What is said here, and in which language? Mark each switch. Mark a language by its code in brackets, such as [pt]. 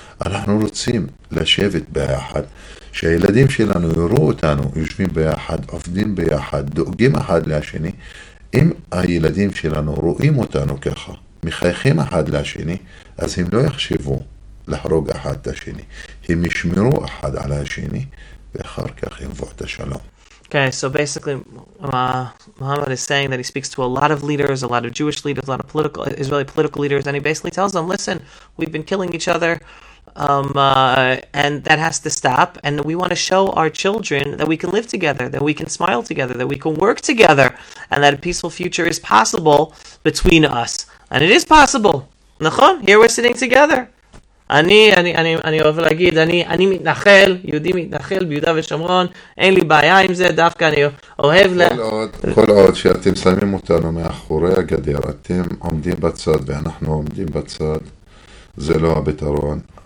[he] אנחנו רוצים לשבת ביחד, שהילדים שלנו יראו אותנו, יושבים ביחד, עובדים ביחד, דואגים אחד לשני. אם הילדים שלנו רואים אותנו ככה, מחייכים אחד לשני, אז הם לא יחשבו להרוג אחד את השני. הם ישמרו אחד על השני, ואחר כך יבוא את השלום. [en] Okay, so basically, Muhammad is saying that he speaks to a lot of leaders, a lot of Jewish leaders, a lot of Israeli political leaders, and he basically tells them, listen, we've been killing each other, and that has to stop, and we want to show our children that we can live together, that we can smile together, that we can work together, and that a peaceful future is possible between us. And it is possible. [he] נכון? [en] Here we're sitting together. [he] אני אוהב להגיד, אני מתנחל, יהודי מתנחל ביהודה ושומרון, אין לי בעיה עם זה, דווקא אני אוהב כל עוד שאתם שמים אותנו מאחורי הגדר, אתם עומדים בצד ואנחנו עומדים בצד, זה לא הפתרון.